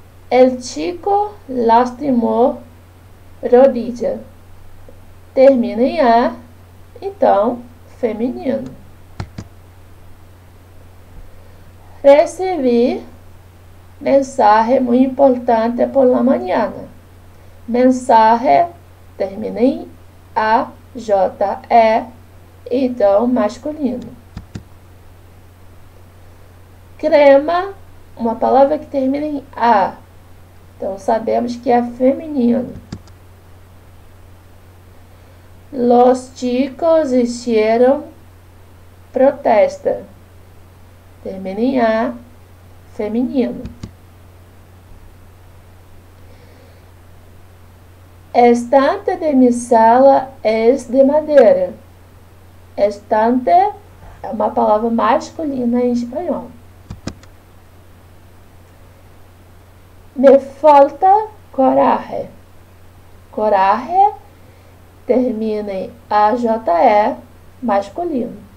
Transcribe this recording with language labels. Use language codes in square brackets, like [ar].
[es] El chico lastimó rodilla. [pt] Termina em A, então feminino. Recebi [es] mensaje muy importante por la mañana. [pt] Mensaje termina em AJE, então masculino. Crema, uma palavra que termina em A. Então sabemos que é feminino. [es] Los chicos hicieron protesta. [pt] Termina em A, feminino. [es] Estante de mi sala es de madera. [pt] Estante é uma palavra masculina em espanhol. [es] Me falta coraje. [pt] Coraje termina em AJE, masculino.